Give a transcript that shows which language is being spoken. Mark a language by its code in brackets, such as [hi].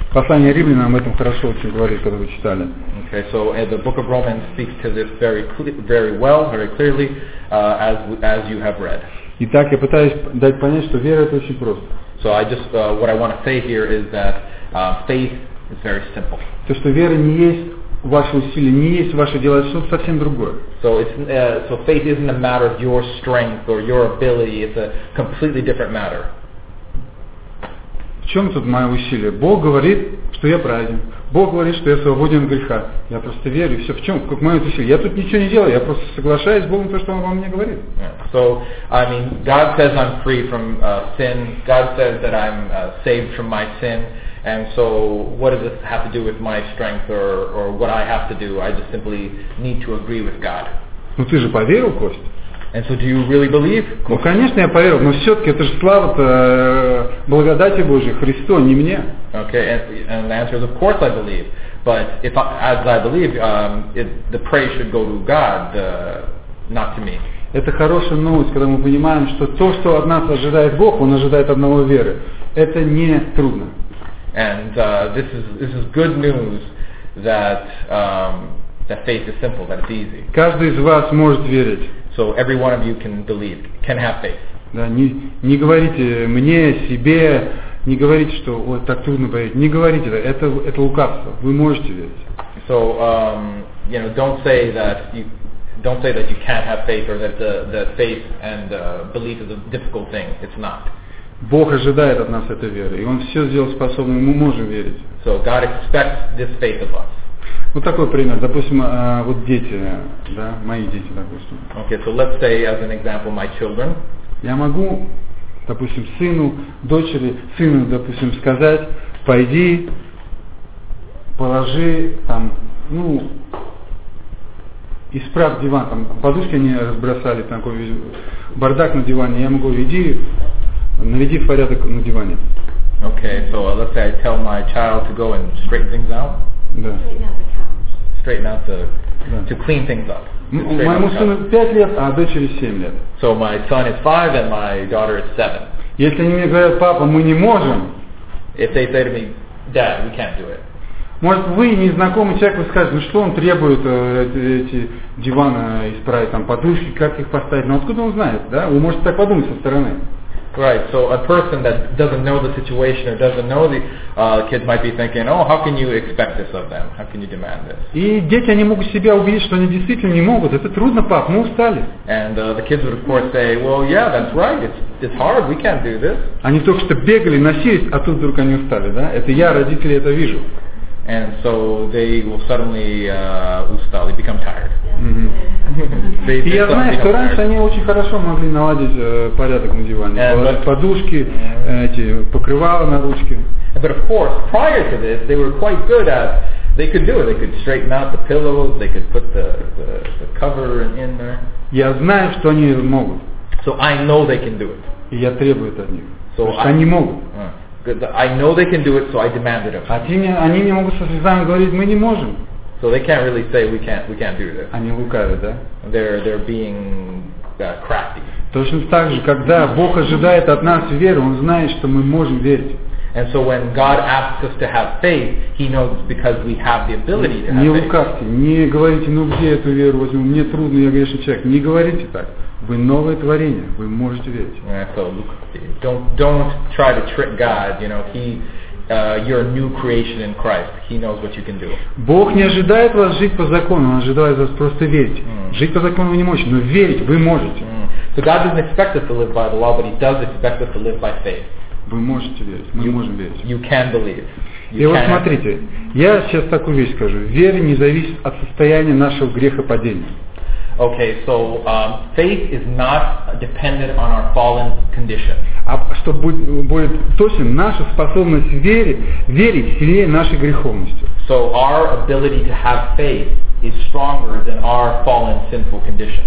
[ru] Послание Римлянам об этом хорошо очень говорит, когда вы читали. [en] Okay, so the book of Romans speaks to this very, very well, very clearly, as you have read. [ru] Итак, я пытаюсь дать понять, что вера — это очень просто. [en] So I just what I want to say here is that faith is very simple. [ru] То, что вера не есть ваши усилия, не есть ваши дела, это что-то совсем другое. [en] So it's so faith isn't a matter of your strength or your ability. It's a completely different matter. [ru] В чем тут мое усилие? Бог говорит, что я праведен. Бог говорит, что я свободен от греха. Я просто верю. Все. В чем? Как мое усилие? Я тут ничего не делаю. Я просто соглашаюсь с Богом то, что Он во мне говорит. [en] Yeah. So, I mean, God says I'm free from sin. God says that I'm saved from my sin. And so, what does this have to do with my strength or what I have to do? I just simply need to agree with God. [ru] Ну ты же поверил, Кость? [en] And so do you really believe? [ru] Ну, конечно, я поверил, но все-таки это же слава-то благодати Божией, Христу, не мне. [en] Okay, and the answer is, of course I believe. But if I, as I believe, the praise should go to God, not to me. [ru] Это хорошая новость, когда мы понимаем, что то, что от нас ожидает Бог, Он ожидает одного веры. Это не трудно. [en] And this is good news that that faith is simple, that it's easy. [ru] Каждый из вас может верить. [en] So every one of you can believe, can have faith. [ru] Да, не говорите мне, себе, не говорите, что вот так трудно поверить. Не говорите, это лукавство. Вы можете верить. [en] So you know, don't say that you can't have faith or that the faith and belief is a difficult thing. It's not. [ru] Бог ожидает от нас этой веры, и Он все сделал способным, мы можем верить. [en] So God expects this faith of us. [ru] Вот такой пример. Допустим, вот дети, да, мои дети, допустим. [en] Okay, so let's say as an example my children. [ru] Я могу, допустим, сыну, допустим, сказать: пойди, положи там, ну, исправ диван, там, подушки они разбросали, там такой бардак на диване. Я могу: иди, наведи порядок на диване. [en] Okay, so let's say I tell my child to go and straighten things out. [ru] Да. [en] Straighten out to clean things up. [ru] Моему сыну 5 лет, а дочери 7 лет. [en] So my son is 5 and my daughter is 7. [ru] Если они мне говорят: папа, мы не можем. [en] If they say to me, Dad, we can't do it. [ru] Может, вы, незнакомый человек, вы скажете: ну что он требует эти диваны исправить, там подушки, как их поставить? Но откуда он знает, да? Вы можете так подумать со стороны. [en] Right, so a person that doesn't know the situation or doesn't know the kid might be thinking, oh, how can you expect this of them? How can you demand this? [ru] И дети, они могут себя убедить, что они действительно не могут. Это трудно, пап, мы устали. [en] And the kids would of course say, well, yeah, that's right, it's hard, we can't do this. [ru] Они только что бегали, носились, а тут вдруг они устали, да? Это я, родители, это вижу. [en] And so they will suddenly [ru] устали, [en] become tired. [ru] И я знаю, что раньше они очень хорошо могли наладить порядок на диване, подушки, эти покрывала на ручке. [en] But of course, prior to this, they were quite good at. They could do it. They could straighten out the pillows. They could put the cover in there. [ru] Я знаю, что они могут. [en] So I know they can do it. [ru] И я требую это от них. [en] So [ru] они могут. [en] I know they can do it, so I demand it of them. [ru] Они не могут со слезами говорить: мы не можем. [en] So they can't really say we can't do this. [ru] Они лукавят, да? [en] They're being crafty. [ru] Точно так же, когда Бог ожидает от нас веры, Он знает, что мы можем верить. [en] And so when God asks us to have faith, He knows because we have the ability to have faith. [ru] Не лукавьте, не говорите: ну где эту веру возьму? Мне трудно, я грешный человек. Не говорите так. Вы новое творение, вы можете верить. [en] Yeah, so don't try to trick God, you know, you're a new creation in Christ. He knows what you can do. [ru] Бог не ожидает вас жить по закону, Он ожидает вас просто верить. Жить по закону вы не можете, но верить вы можете. [en] So God doesn't expect us to live by the law, but He does expect us to live by faith. [ru] Вы можете верить, мы можем верить. [en] You can believe. [ru] И вот смотрите, я сейчас такую вещь скажу. Вера не зависит от состояния нашего грехопадения. [en] Okay, so faith is not dependent on our fallen condition. [ru] А что будет точно, наша способность верить сильнее нашей греховности. [en] So our ability to have faith is stronger than our fallen sinful condition.